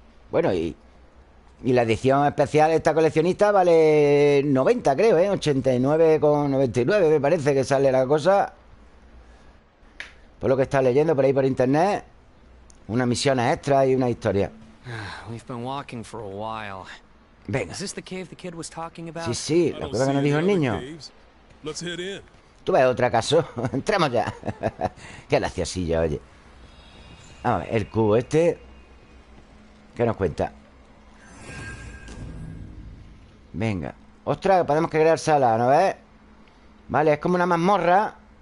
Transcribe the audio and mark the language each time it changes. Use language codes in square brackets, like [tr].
[es] Bueno, y la edición especial de esta coleccionista vale 90, creo, ¿eh? 89,99, me parece que sale la cosa. Por lo que está leyendo por ahí por internet, una misión extra y una historia. [en] We've been walking for a while. [es] Venga. [en] Is this the cave the kid was talking about? [es] Sí, sí, la cosa que nos dijo el niño. [en] Let's head in. [es] ¿Tú ves otra caso? Entramos ya. Qué graciosillo, oye. Vamos a ver, el cubo este. ¿Qué nos cuenta? Venga. Ostras, podemos crear sala, ¿no ves? Vale, es como una mazmorra.